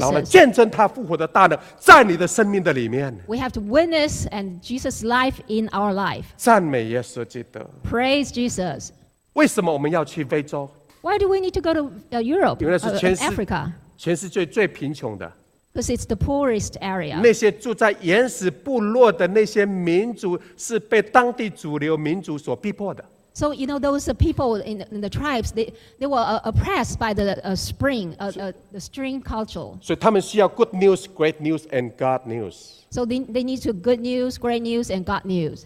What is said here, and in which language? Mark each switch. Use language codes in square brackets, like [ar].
[zh] 然后见证他复活的大能在你的生命的里面。 [en] We have to witness and Jesus' life in our life. [zh] 赞美耶稣基督。 [en] Praise Jesus. [zh] 为什么我们要去非洲？ [en] Why do we need to go to Europe? [zh] 因为是全世界 [en] Africa. [zh] 全世界最贫穷的。 [en] Because it's the poorest area. [zh] 那些住在原始部落的那些民族是被当地主流民族所逼迫的。 [en] So you know those people in the tribes, they were oppressed by the spring, the stream culture. [zh] 所以他们需要 [en] good news, great news, and God news. So they need to good news, great news, and God news.